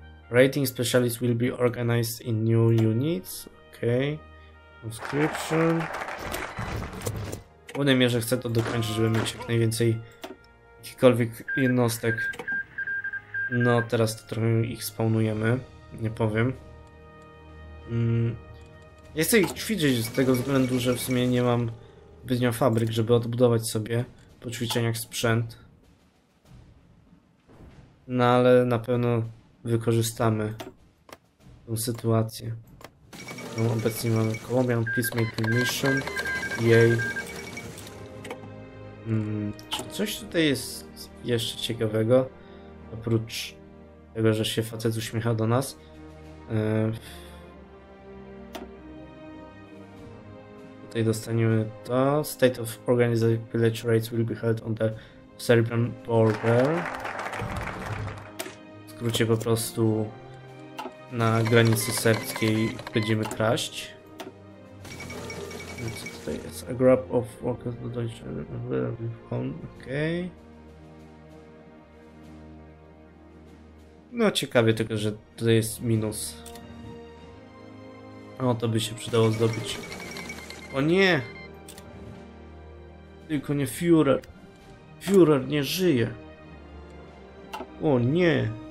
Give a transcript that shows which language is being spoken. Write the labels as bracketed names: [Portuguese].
[English] Rating specialist will be organized in new units. Okej. Okay. Conscription. [Polish] W głównej mierze chcę to dokończyć, żeby mieć jak najwięcej jakichkolwiek jednostek. No, teraz to trochę ich spawnujemy, nie powiem. Nie chcę ich ćwiczyć z tego względu, że w sumie nie mam zbytnio fabryk, żeby odbudować sobie po ćwiczeniach sprzęt. No, ale na pewno wykorzystamy tą sytuację. No, obecnie mamy Colombian Peacemaking Mission. Jej. Czy coś tutaj jest jeszcze ciekawego? Oprócz tego, że się facet uśmiecha do nas. Tutaj dostaniemy to. [English] State of Organized Pillage Raids will be held on the Serbian border. [Polish] W skrócie po prostu na granicy serbskiej będziemy kraść. Co tutaj jest? [English] A group of workers to Deutsche Home. [Polish] Okej. No ciekawie tylko, że tutaj jest minus. O, to by się przydało zdobyć. O nie! Tylko nie Führer. Führer nie żyje. O nie!